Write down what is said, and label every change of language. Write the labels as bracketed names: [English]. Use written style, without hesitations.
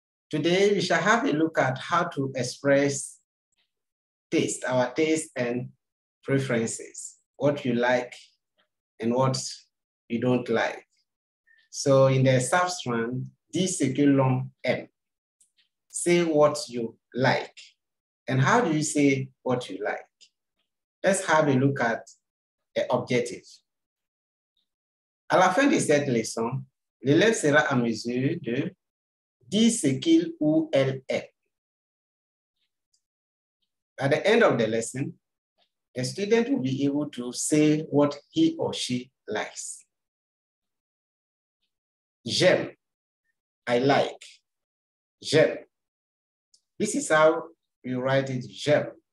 [English] Today we shall have a look at how to express taste, our taste and preferences, what you like and what you don't like. So in the substrand, [French] dis ce que l'on aime, [English] say what you like. And how do you say what you like? Let's have a look at the objective. [French] À la fin de cette leçon, l'élève sera en mesure de dire ce qu'il ou elle aime. [English] At the end of the lesson, the student will be able to say what he or she likes. [French] J'aime. [English] I like. J'aime. This is how you write it, j'aime.